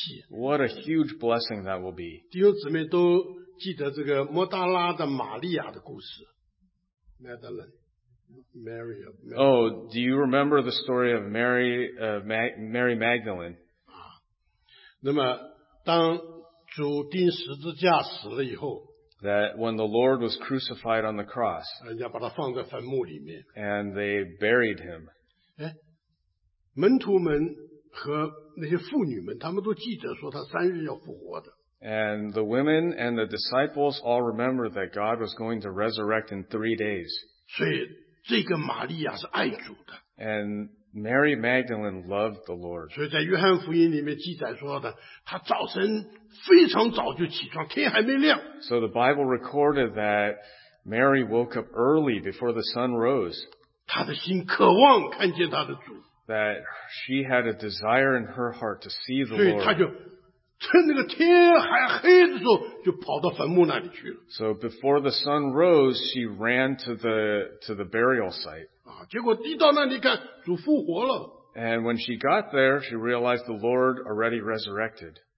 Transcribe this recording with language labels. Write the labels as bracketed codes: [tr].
[en] What a huge blessing that will be. [zh] 弟兄姊妹都记得这个摩达拉的玛利亚的故事, Madeline. [en] Mary of Magdalene. Oh, do you remember the story of Mary Magdalene? [zh] 那么当主钉十字架死了以后, [en] that when the Lord was crucified on the cross, [zh] 人家把他放在坟墓里面, [en] and they buried him. [zh] 哎, 门徒们和那些妇女们, 他们都记得说他三日要复活的。 [en] And the women and the disciples all remember that God was going to resurrect in 3 days. [zh] 所以,这个玛利亚是爱主的。 [en] And Mary Magdalene loved the Lord. [zh] 所以在约翰福音里面记载说的，她早晨非常早就起床，天还没亮。 [en] So the Bible recorded that Mary woke up early before the sun rose. [zh] 她的心渴望看见她的主。 [en] That she had a desire in her heart to see the Lord. [zh] 趁那个天还黑的时候，就跑到坟墓那里去了。 [en] So before the sun rose, she ran to the burial site. [zh] 结果地到那里看，主复活了。 [en] And when she got there, she realized the Lord already resurrected.